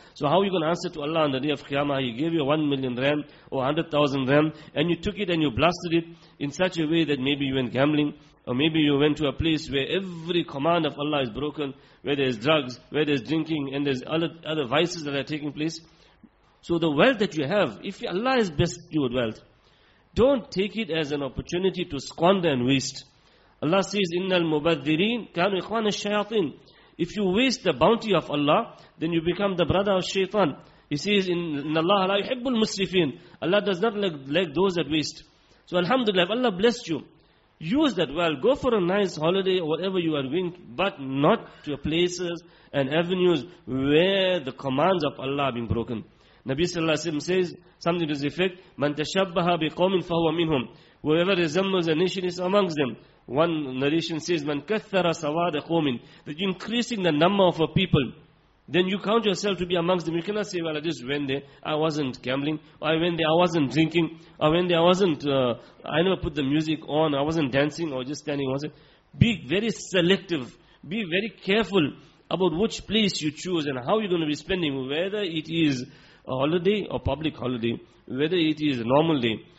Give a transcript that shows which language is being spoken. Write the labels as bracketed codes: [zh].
[en] So how are you going to answer to Allah on the day of Qiyamah? He gave you 1 million rand or 100,000 rand, and you took it and you blasted it in such a way that maybe you went gambling, or maybe you went to a place where every command of Allah is broken, where there's drugs, where there's drinking, and there's other vices that are taking place. So the wealth that you have, if Allah has bestowed wealth, don't take it as an opportunity to squander and waste. Allah says, [ar] إِنَّ الْمُبَذِّرِينَ كَانُوا إِخْوَانَ الشَّيَاطِينَ. [en] If you waste the bounty of Allah, then you become the brother of shaitan. He says, [ar] إِنَّ اللَّهَ لَا يُحِبُّ الْمُسْرِفِينَ. [en] Allah does not like those that waste. So alhamdulillah, if Allah blessed you, use that wealth, go for a nice holiday or whatever you are doing, but not to places and avenues where the commands of Allah have been broken. Nabi sallallahu alayhi wa sallam says something to this effect, [ar] مَنْ تَشَبَّهَ بِقَوْمٍ فَهُوَ مِنْهُمْ. [en] Whoever resembles a nation is amongst them. One narration says, [ar] مَنْ كَثَّرَ سَوَادَ قَوْمٍ. [en] That you're increasing the number of a people, then you count yourself to be amongst them. You cannot say, well, I just went there, I wasn't gambling, or I went there, I wasn't drinking, or I went there, I wasn't, I never put the music on, I wasn't dancing, or just standing. Be very selective, be very careful about which place you choose and how you're going to be spending, whether it is a holiday or public holiday, whether it is a normal day.